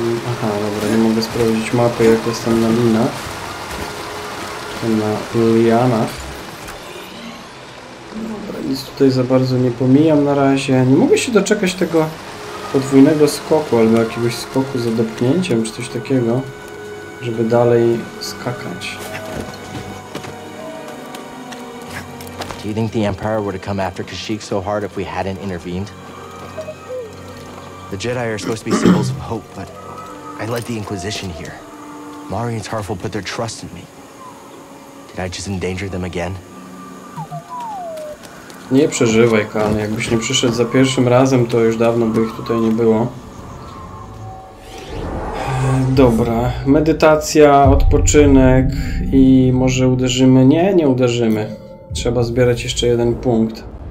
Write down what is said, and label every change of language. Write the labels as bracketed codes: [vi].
[pl] Aha, dobra, nie mogę sprawdzić mapy, jak jestem na linach. Na lianach. Dobra, nic tutaj za bardzo nie pomijam na razie. Nie mogę się doczekać tego podwójnego skoku, albo jakiegoś skoku z odepchnięciem, czy coś takiego, żeby dalej skakać. [en] Do you think the Empire would have come after Kashyyyk so hard if we hadn't intervened? The Jedi are supposed to be symbols of hope, but I led the Inquisition here. Mari and Tarful put their trust in me. Did I just endanger them again? [pl] Nie przeżywaj, Khan. Jakbyś nie przyszedł za pierwszym razem, to już dawno by ich tutaj nie było. Dobra. Medytacja, odpoczynek i może uderzymy? Nie, nie uderzymy. Trzeba zbierać jeszcze jeden punkt.